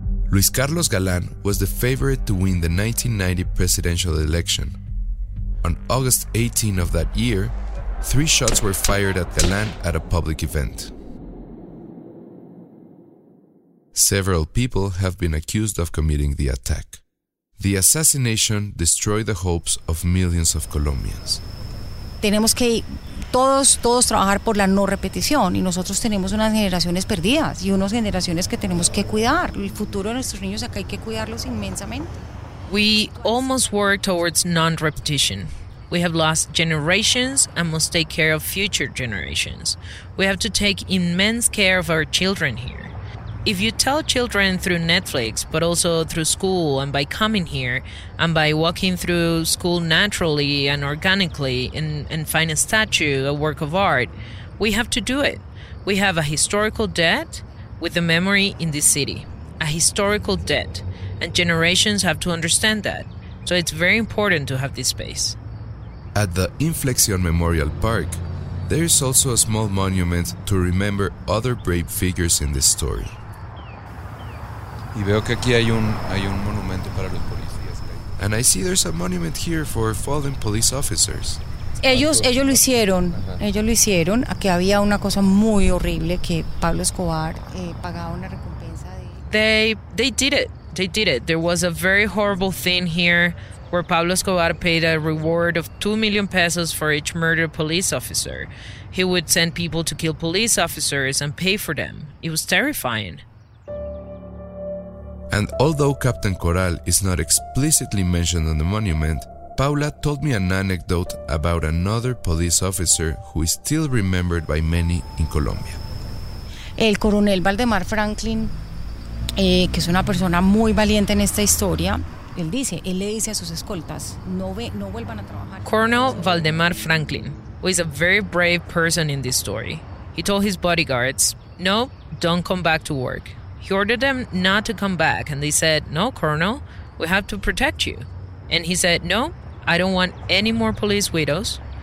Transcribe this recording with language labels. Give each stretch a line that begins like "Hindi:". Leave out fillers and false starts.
English: Luis Carlos Galán was the favorite to win the 1990 presidential election. On August 18 of that year, three shots were fired at Galán at a public event. Several people have been accused of committing the attack. The assassination destroyed the hopes of millions of Colombians.
Spanish: Tenemos que todos trabajar por la no repetición y nosotros tenemos unas generaciones perdidas y unas generaciones que tenemos que cuidar. El futuro de nuestros niños acá hay que cuidarlos inmensamente.
English: We almost work towards non-repetition. We have lost generations and must take care of future generations. We have to take immense care of our children here. If you tell children through Netflix, but also through school and by coming here and by walking through school naturally and organically and find a statue, a work of art, we have to do it. We have a historical debt with a memory in this city, a historical debt, and generations have to understand that. So it's very important to have this space. At the Inflexion Memorial Park, there is also a small monument to remember other brave figures in this story.
Spanish: Y veo que aquí hay un monumento para los policías.
English: And I see there's a monument here for fallen police officers.
Spanish: Ellos lo hicieron. Uh-huh. Ellos lo hicieron. Aquí había una cosa muy horrible que Pablo Escobar pagaba una recompensa de.
English: They did it. They did it. There was a very horrible thing here where Pablo Escobar paid a reward of 2 million pesos for each murdered police officer. He would send people to kill police officers and pay for them. It was terrifying. And although Captain Coral is not explicitly mentioned on the monument, Paula told me an anecdote about another police officer who is still remembered by many in Colombia.
Spanish: El coronel Valdemar Franklin, que es una persona muy valiente en esta historia, él le dice a sus escoltas, no vuelvan a trabajar.
English: Colonel Valdemar Franklin, who is a very brave person in this story, he told his bodyguards, no, don't come back to work. He ordered them not to come back, and they said, no, Colonel, we have to protect you. And he said, no, I don't want any more police widows.